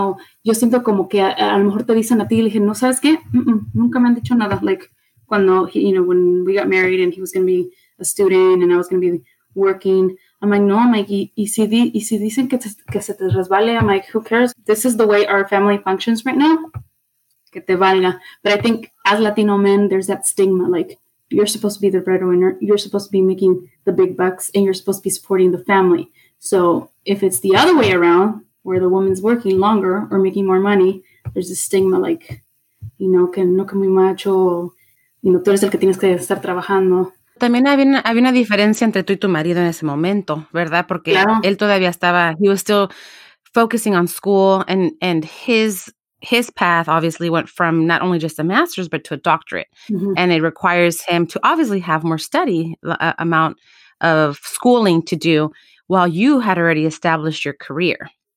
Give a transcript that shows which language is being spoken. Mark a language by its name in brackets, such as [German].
[Spanish] O yo siento como que a lo mejor te dicen a ti. Y le dije, no, ¿sabes qué? Mm-mm, nunca me han dicho nada. [English] Like, cuando, he, you know, when we got married and he was going to be a student and I was going to be working, I'm like, no, I'm like, [Spanish] y si dicen que se te resbale, [English] I'm like, who cares? This is the way our family functions right now. [Spanish] Que te valga. [English] But I think as Latino men, there's that stigma, like, you're supposed to be the breadwinner, you're supposed to be making the big bucks, and you're supposed to be supporting the family. So if it's the other way around, where the woman's working longer or making more money, there's a stigma, like, you know, [Spanish] que no que muy macho, [English] you know, [Spanish] tú eres el que tienes que estar trabajando. También había una diferencia entre tú y tu marido en ese momento, ¿verdad? Porque yeah. Él todavía estaba, [English] he was still focusing on school, and his path obviously went from not only just a master's, but to a doctorate. Mm-hmm. And it requires him to obviously have more study amount of schooling to do while you had already established your career.